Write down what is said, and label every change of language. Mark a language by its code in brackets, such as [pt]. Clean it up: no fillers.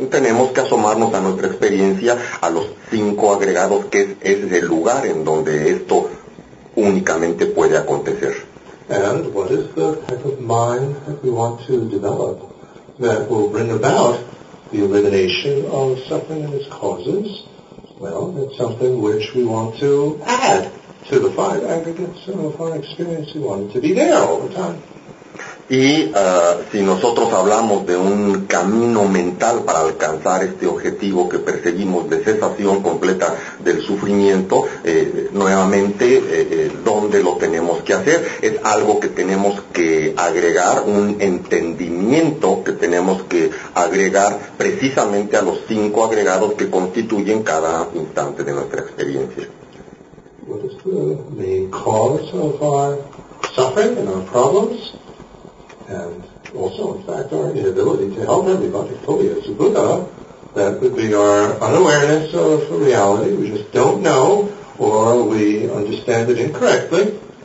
[es] Tenemos que asomarnos a nuestra experiencia, a los cinco agregados, que es el lugar en donde esto únicamente puede acontecer. [en] And what is the type of mind that we want to develop that will bring about the elimination of suffering and its causes? Well, it's something which we want to add to the five aggregates of our experience. We want it to be there all the time. [es] Y si nosotros hablamos de un camino mental para alcanzar este objetivo que perseguimos de cesación completa del sufrimiento, ¿dónde lo tenemos que hacer? Es algo que tenemos que agregar, un entendimiento que tenemos que agregar precisamente a los cinco agregados que constituyen cada instante de nuestra experiencia. [en] What is the main cause of our suffering and our problems? And also, in fact, our inability to help everybody fully as a Buddha, that would be our unawareness of reality. We just don't know, or we understand it incorrectly.